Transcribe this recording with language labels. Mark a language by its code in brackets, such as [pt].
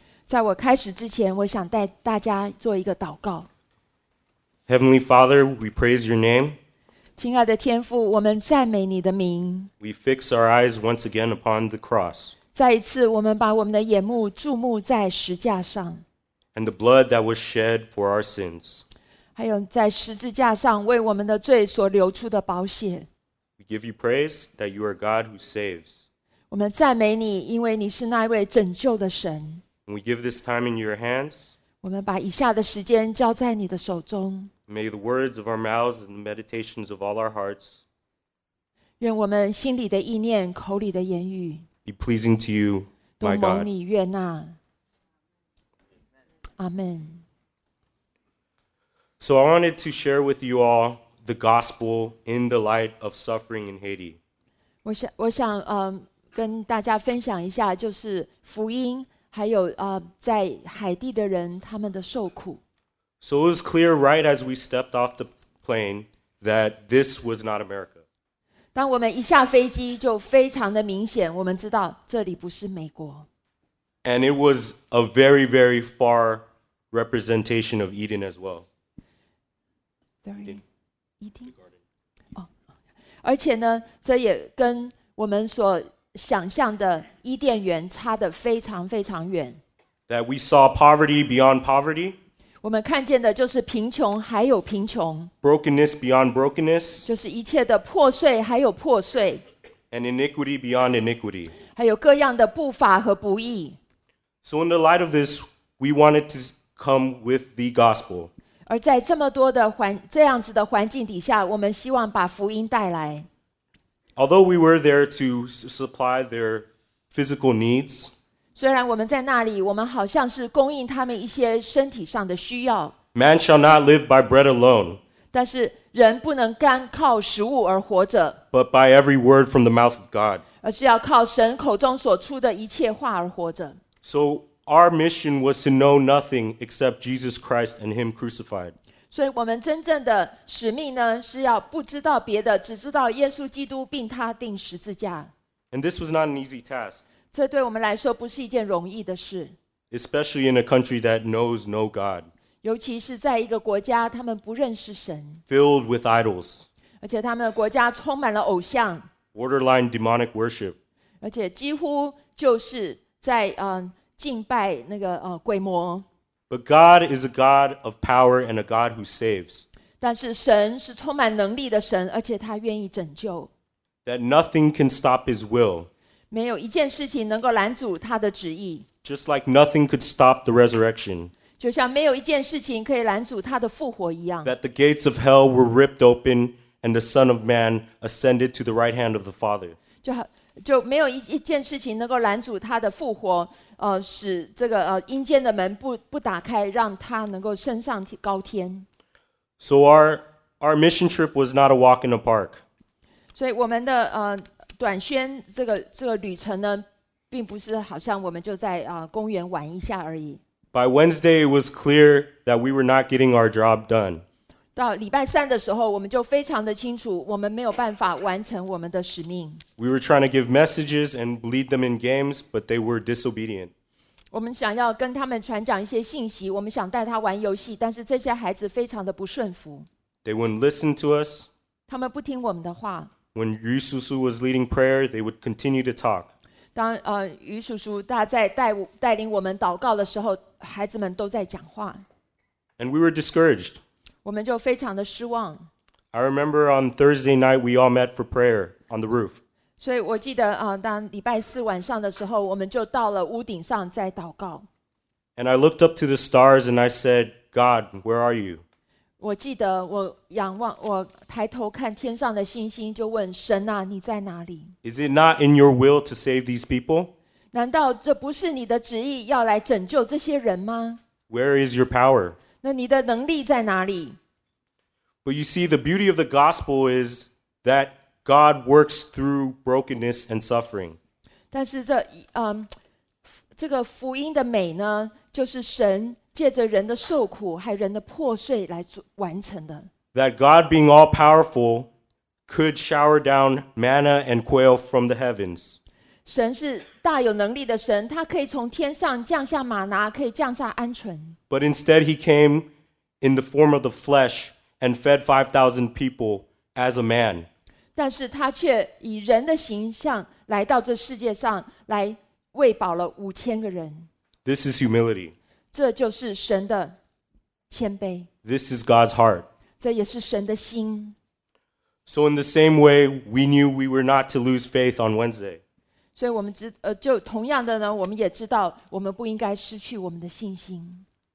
[zh] 在我开始之前，我想带大家做一个祷告。 [en] Heavenly Father, we praise your name. [zh] 亲爱的天父，我们赞美你的名。 [en] We fix our eyes once again upon the cross. [zh] 再一次，我们把我们的眼目注目在十架上。 [en] And the blood that was shed for our sins. [zh] 还有在十字架上为我们的罪所流出的宝血。 [en] We give you praise that you are God who saves. [zh] 我们赞美你，因为你是那位拯救的神。 [en] And we give this time in your hands. [zh] 我们把以下的时间交在你的手中。 [en] May the words of our mouths and the meditations of all our hearts [zh] 愿我们心里的意念口里的言语 [en] be pleasing to you, my God. [zh] 都蒙你悦纳。 [en] Amen. So I wanted to share with you all the gospel in the light of suffering in Haiti. [zh] 我想跟大家分享一下就是福音还有在海地的人他们的受苦。 [en] So it was clear right as we stepped off the plane that this was not America. [zh] 当我们一下飞机就非常的明显，我们知道这里不是美国。 [en] And it was a very, very far representation of Eden as well. Very Eden. [zh] Oh, 而且呢，这也跟我们所想象的伊甸园差得非常非常远。 [en] That we saw poverty beyond poverty. [zh] 我们看见的就是贫穷还有贫穷 [en] brokenness beyond brokenness [zh] 就是一切的破碎还有破碎 [en] and iniquity beyond iniquity [zh] 还有各样的不法和不义 [en] so in the light of this we wanted to come with the gospel [zh] 而在这么多的这样子的环境底下我们希望把福音带来 [en] although we were there to supply their physical needs [zh] 虽然我们在那里，我们好像是供应他们一些身体上的需要。 [en] Man shall not live by bread alone. [zh] 但是人不能干靠食物而活着。 [en] But by every word from the mouth of God. [zh] 而是要靠神口中所出的一切话而活着。 [en] So our mission was to know nothing except Jesus Christ and Him crucified. [zh] 所以我们真正的使命呢，是要不知道别的，只知道耶稣基督并他钉十字架。 [en] And this was not an easy task. [zh] 这对我们来说不是一件容易的事 [en] Especially in a country that knows no God [zh] 尤其是在一个国家他们不认识神 [en] Filled with idols [zh] 而且他们的国家充满了偶像 [en] Borderline demonic worship [zh] 而且几乎就是在敬拜那个鬼魔 [en] But God is a God of power and a God who saves [zh] 但是神是充满能力的神而且他愿意拯救 [en] That nothing can stop his will [zh] 没有一件事情能够拦阻他的旨意 [en] Just like nothing could stop the resurrection [zh] 就像没有一件事情可以拦阻他的复活一样 [en] That the gates of hell were ripped open and the Son of Man ascended to the right hand of the Father [zh] 就没有一件事情能够拦阻他的复活使这个阴间的门 不打开让他能够升上高天 [en] So our mission trip was not a walk in the park [zh] 所以我们的短宣这个旅程呢，并不是好像我们就在公园玩一下而已。 [en] By Wednesday, it was clear that we were not getting our job done. [zh] 到礼拜三的时候，我们就非常的清楚，我们没有办法完成我们的使命。 [en] We were trying to give messages and lead them in games, but they were disobedient. [zh] 我们想要跟他们传讲一些信息，我们想带他玩游戏，但是这些孩子非常的不顺服。 [en] They wouldn't listen to us. [zh] 他们不听我们的话。 [en] When Yu Susu was leading prayer, they would continue to talk. [zh] 当Yu Susu他在带领我们祷告的时候，孩子们都在讲话。 [en] And we were discouraged. [zh] 我们就非常的失望。 [en] I remember on Thursday night we all met for prayer on the roof. [zh] 所以我记得当礼拜四晚上的时候，我们就到了屋顶上在祷告。 [en] And I looked up to the stars and I said, God, where are you? [zh] 我记得我仰望，我抬头看天上的星星，就问神啊，你在哪里？ [en] Is it not in your will to save these people? [zh] 难道这不是你的旨意要来拯救这些人吗？ [en] Where is your power? [zh] 那你的能力在哪里？ [en] But you see, the beauty of the gospel is that God works through brokenness and suffering. [zh] 但是这个福音的美呢，就是神借着人的受苦还人的破碎来完成的。 [en] That God being all powerful could shower down manna and quail from the heavens. [zh] 神是大有能力的神，他可以从天上降下玛拿，可以降下鹌鹑。 [en] But instead he came in the form of the flesh and fed 5,000 people as a man. [zh] 但是他却以人的形象来到这世界上来喂饱了五千个人。 [en] This is humility. [zh] 这就是神的谦卑。 [en] This is God's heart. [zh] 这也是神的心。 [en] So in the same way, we knew we were not to lose faith on Wednesday. [zh] 所以我们就同样的呢，我们也知道我们不应该失去我们的信心。